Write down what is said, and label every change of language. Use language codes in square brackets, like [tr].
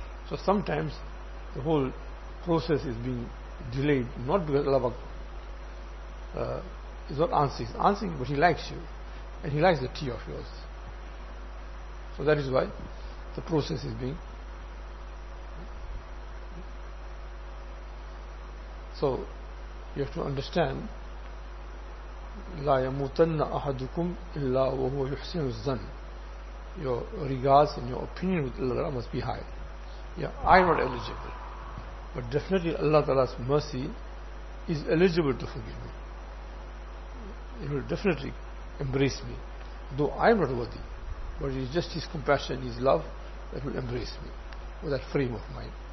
[en] So sometimes the whole process is being delayed, not because Allah is not answering. He's answering, but he likes you. And he likes the tea of yours. So that is why the process is being... So you have to understand, [ar] لَا يَمُوتَنَّ أَحَدُكُمْ إِلَّا وَهُوَ يُحْسِنُ الظَّنِ. [en] Your regards and your opinion with Allah must be high. Yeah, I'm not eligible. But definitely Allah Ta'ala's mercy is eligible to forgive me. He will definitely embrace me. Though I'm not worthy, but it's just His compassion, His love that will embrace me with that frame of mind.